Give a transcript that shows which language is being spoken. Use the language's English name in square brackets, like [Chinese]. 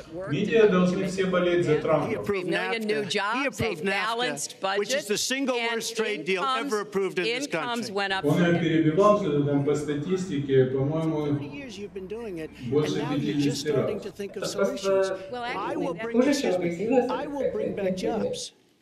[Russian] Медиа должны все болеть за Трампа. [English] He approved NAFTA, which is the single worst trade deal ever approved in this country. [Russian] Он перебивался, там по статистике, по-моему, больше 50 раз.